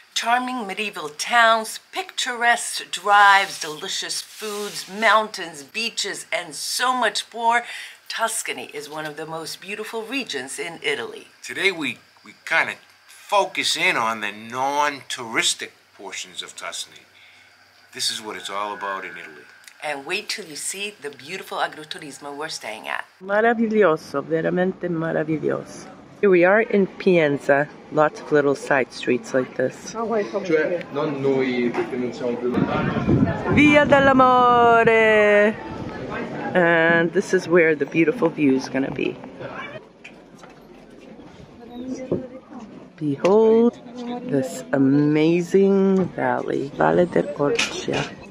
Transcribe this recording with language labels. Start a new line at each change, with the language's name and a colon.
English: Charming medieval towns, picturesque drives, delicious foods, mountains, beaches, and so much more. Tuscany is one of the most beautiful regions in Italy. Today we kind of focus in on the non-touristic portions of Tuscany. This is what it's all about in Italy. And wait till you see the beautiful Agriturismo we're staying at.
Italian: Maraviglioso, veramente maraviglioso.
English: Here we are in Pienza. Lots of little side streets like this.
Italian: Cioè, non noi perché non siamo più lontani. Via dell'amore!
English: And this is where the beautiful view is gonna be. Behold this amazing valley, Valle d'Orcia.